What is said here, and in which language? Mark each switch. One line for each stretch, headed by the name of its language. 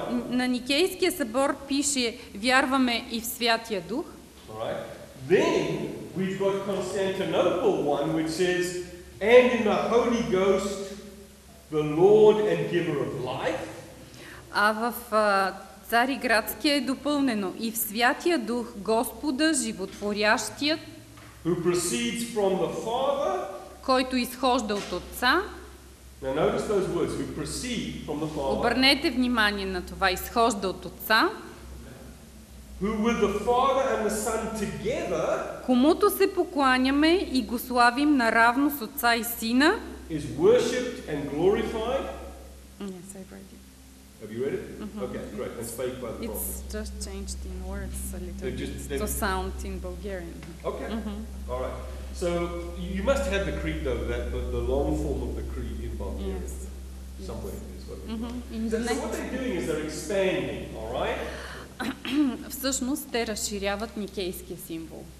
Bulgarian: На Никейския събор пише вярваме и в Святия Дух.
English: Then we've got Constantinople 1 which says and in the Holy Ghost the Lord and giver of life.
Bulgarian: А в Цариградския е допълнено и в Святия Дух Господа животворящият
English: who proceeds from the Father,
Bulgarian: който изхожда от Отца.
English: Now notice those words who proceed from the Father.
Bulgarian: Обърнете внимание на това, изхожда от Отца.
English: Who with the Father and the Son together?
Bulgarian: Комуто се покланяме и го славим наравно с Отца и Сина.
English: Is worshipped and glorified? Yes, I read it. Have you read it? Mm-hmm. Okay, great. And spake by the it's It's just changed in words a little. To sound in Bulgarian. Okay. Mm-hmm. All right. So you must have the creed though, that the long form of the creed in Bulgarian. Yes. Somewhere. Yes. In the next. So what they're doing is they're expanding. All right.
Bulgarian: Всъщност те разширяват никейския символ.